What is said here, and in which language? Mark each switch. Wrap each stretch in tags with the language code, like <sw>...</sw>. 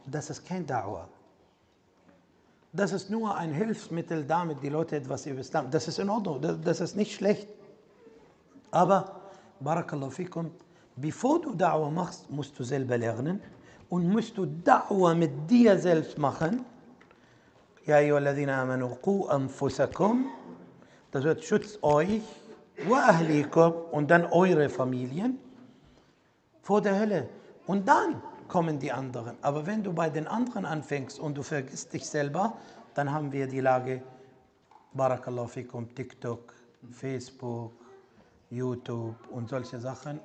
<de>Das ist kein Da'wah. Das ist nur ein Hilfsmittel, damit die Leute etwas über Islam. Das ist in Ordnung, das ist nicht schlecht. Aber,</de> <ar>barakallahu fikum,</ar> <de>bevor du Da'wah machst, musst du selber lernen und musst du Da'wah mit dir selbst machen. Ja, ihr</de> <ar>الذين آمنوا قوا أنفسكم.</ar> <de>Das wird schützt euch,</de> <ar>wa ahlikum,</ar> <de>und dann eure Familien vor der Hölle. Und dann kommen die anderen. Aber wenn du bei den anderen anfängst und du vergisst dich selber, dann haben wir die Lage,</de> <ar>barakallahu fikum,</ar> <de>TikTok, Facebook, YouTube und solche Sachen.</de>